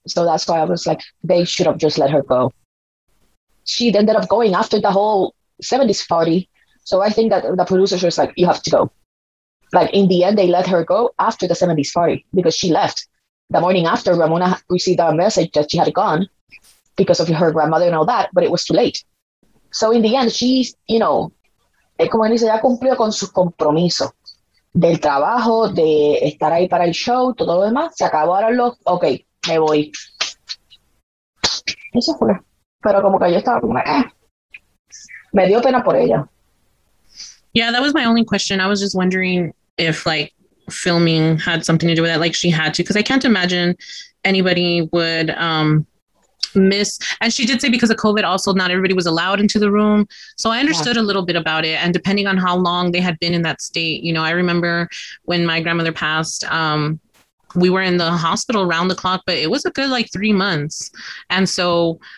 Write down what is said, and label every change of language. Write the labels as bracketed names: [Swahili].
[English] So that's why I was like, they should have just let her go. She ended up going after the whole 70s party. So I think that the producers were like, you have to go. Like in the end, they let her go after the 70s party because she left. The morning after, Ramona received a message that she had gone because of her grandmother and all that, but it was too late. So in the end, she's, you know, [Spanish] como dice, ya cumplió con su compromiso del trabajo, de estar ahí para el show, todo lo demás. Se acabaron los, okay, me voy. Eso fue. Pero como que yo estaba como, me dio pena por ella. [English] Yeah, that was my only question. I was just wondering if, like, filming had something to do with that. Like, she had to. Because I can't imagine anybody would miss. And she did say because of COVID also, not everybody was allowed into the room. So I understood a little bit about it. And depending on how long they had been in that state, you know, I remember when my grandmother passed, we were in the hospital round the clock, but it was a good, like, 3 months. And so